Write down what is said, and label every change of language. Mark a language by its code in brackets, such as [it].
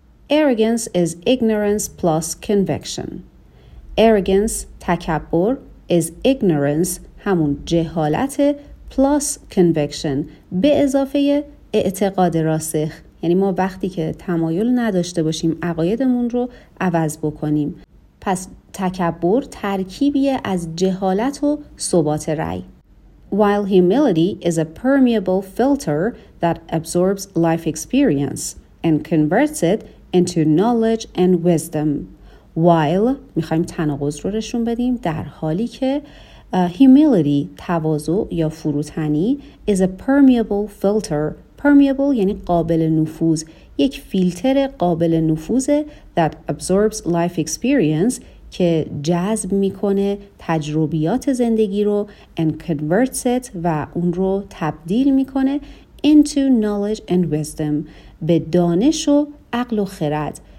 [en] Arrogance is ignorance plus conviction. Arrogance تکبر is ignorance [fa] همون جهالت [en] plus conviction [fa] به اضافه اعتقاد راسخ. یعنی ما وقتی که تمایل نداشته باشیم عقایدمون رو عوض بکنیم. پس تکبر ترکیبی از جهالت و ثبات رأی. [en] While humility is a permeable filter that absorbs life experience and converts it into knowledge and wisdom. [fa] While میخواییم تناقض رو رشون بدیم، در حالی که humility تواضع یا فروتنی [en] is a permeable filter. [fa] Permeable یعنی قابل نفوذ، یک فیلتر قابل نفوذ [en] that absorbs life experience [fa] که جذب میکنه تجربیات زندگی رو [en] and converts it [fa] و اون رو تبدیل میکنه [en] into knowledge and wisdom [fa] به دانش و عقل و خرد.